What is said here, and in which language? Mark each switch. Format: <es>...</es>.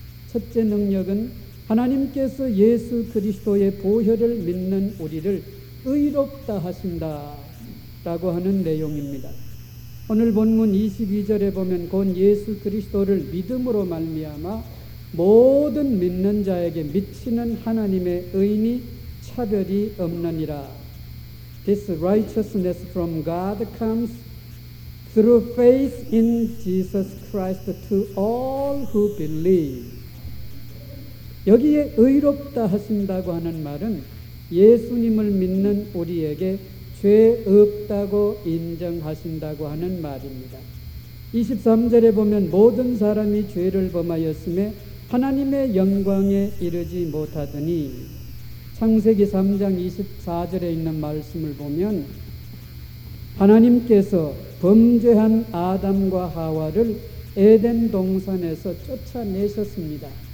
<ko>첫째 능력은 하나님께서 예수 그리스도의 보혈을 믿는 우리를 의롭다 하신다 라고 하는 내용입니다. 오늘 본문 22절에 보면 곧 예수 그리스도를 믿음으로 말미암아 모든 믿는 자에게 미치는 하나님의 의인이 차별이 없느니라.</ko> <en>This righteousness from God comes through faith in Jesus Christ to all who believe.</en> <ko>여기에 의롭다 하신다고 하는 말은 예수님을 믿는 우리에게 죄 없다고 인정하신다고 하는 말입니다. 23절에 보면 모든 사람이 죄를 범하였음에 하나님의 영광에 이르지 못하더니, 창세기 3장 24절에 있는 말씀을 보면 하나님께서 범죄한 아담과 하와를 에덴 동산에서 쫓아내셨습니다.</ko>